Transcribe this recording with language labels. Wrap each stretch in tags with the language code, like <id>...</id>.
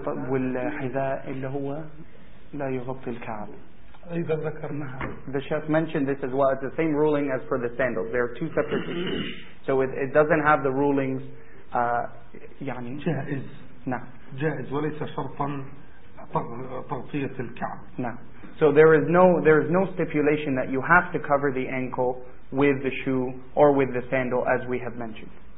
<ar>والحذاء اللي هو لا يغطي الكعب.</ar> <en>The Shaykh mentioned this as well. It's the same ruling as for the sandals. There are two separate issues. So it doesn't have the rulings. يعني</en> <ar>جائز. نعم. جائز وليس شرطا تغطية الكعب. نعم.</ar> <en>So there is no stipulation that you have to cover the ankle with the shoe or with the sandal as we have mentioned.</en>